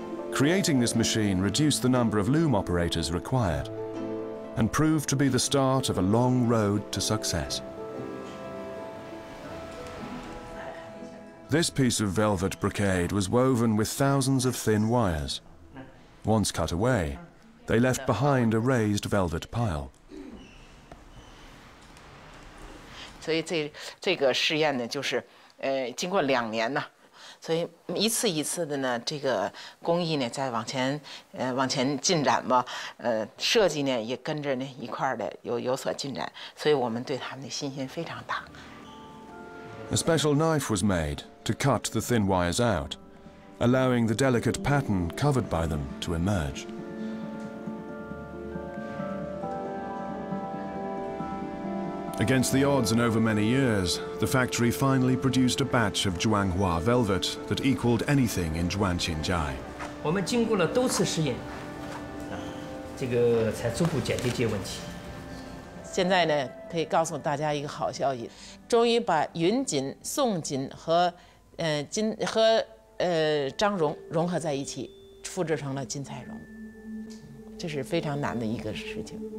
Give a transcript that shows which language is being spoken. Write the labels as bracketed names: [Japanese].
[English] Creating this machine reduced the number of loom operators required and proved to be the start of a long road to success. This piece of velvet brocade was woven with thousands of thin wires, Once cut away, they left behind a raised velvet pile. [Chinese] 所以这个试验呢，就是经过两年呢，所以一次一次的呢，这个工艺呢在往前进展吧，设计呢也跟着呢一块的有所进展，所以我们对他们的信心非常大。 [English] A special knife was made to cut the thin wires out, allowing the delicate pattern covered by them to emerge. Against the odds and over many years, the factory finally produced a batch of Zhuanghua velvet that equaled anything in Juanqinzhai. We went through two trials, this is how we finally solved the problem. [Chinese] 现在呢，可以告诉大家一个好消息，终于把云锦、宋锦和金和张绒融合在一起，复制成了金彩绒。这是非常难的一个事情。